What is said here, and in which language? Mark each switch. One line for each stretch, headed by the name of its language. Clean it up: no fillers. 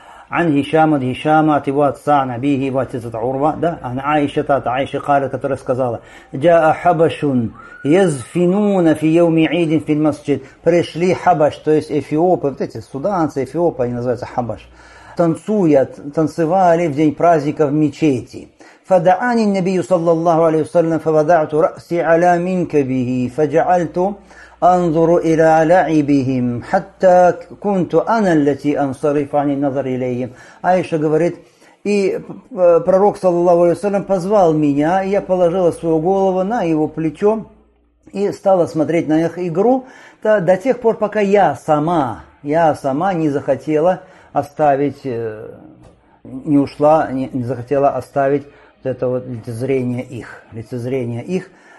Arabic: عن هشام عن هشام عن
Russian: его отца,
Arabic: عن أبيه,
Russian: его отец от عروة, да,
Arabic: عن عائشة,
Russian: от عائشة
Arabic: قالت,
Russian: которая сказала,
Arabic: جاء حبش يزفنون في يوم عيد في المسجد,
Russian: пришли хабаш, то есть эфиопы, вот эти суданцы, эфиопы, они называются хабаш, танцевали в день праздника в мечети.
Arabic: فدعاني النبي صلى الله عليه وسلم فوضعت رأسي على منكبه فجعلت انظر الى لعبهم حتى كنت انا التي انصرف عن النظر اليهم.
Russian: Аиша говорит, и пророк саллаллаху алейхи ва саллям позвал меня, и я положила свою голову на его плечо и стала смотреть на их игру до тех пор, пока я сама не захотела оставить, не ушла, не захотела оставить вот это вот лицезрение их.